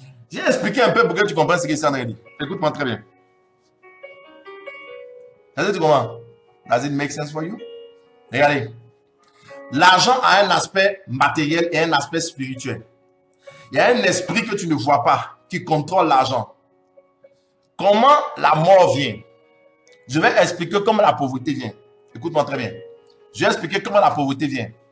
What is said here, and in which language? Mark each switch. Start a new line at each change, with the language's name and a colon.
French: J'ai expliqué un peu pour que tu comprennes ce que c'est en réalité. Écoute-moi très bien.
English: Does it make sense for you?
French: Regardez. L'argent a un aspect matériel et un aspect spirituel. Il y a un esprit que tu ne vois pas qui contrôle l'argent. Comment la mort vient? Je vais expliquer comment la pauvreté vient. Écoute-moi très bien. Je vais expliquer comment la pauvreté vient.